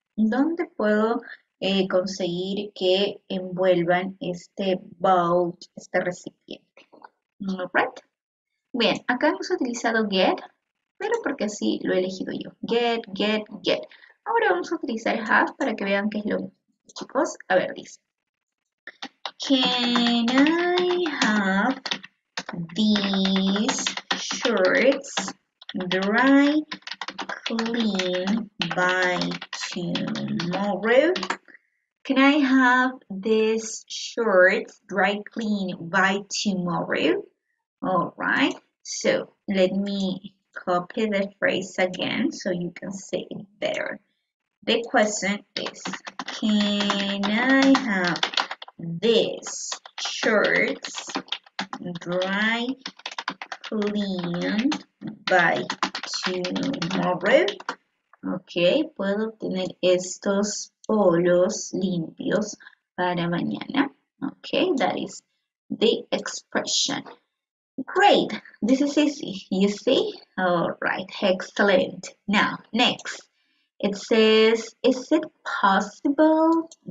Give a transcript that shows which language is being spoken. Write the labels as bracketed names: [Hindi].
[Spanish] ¿Dónde puedo conseguir que envuelvan este bow, este recipiente? Alright. Bien, acá hemos utilizado get, pero porque así lo he elegido yo. Get, get, get. Ahora vamos a utilizar have para que vean qué es lo mismo. Chicos, a ver, dice. [English] Can I have these shirts dry clean by tomorrow? Can I have these shirts dry clean by tomorrow? Alright. So, let me copy the phrase again so you can say it better. The question is, can I have these shirts dry cleaned by tomorrow? [Spanish] Okay, ¿puedo tener estos polos limpios para mañana? [English] Okay, that is the expression. Great, this is easy, you see? All right, excellent. Now, next, it says, is it possible?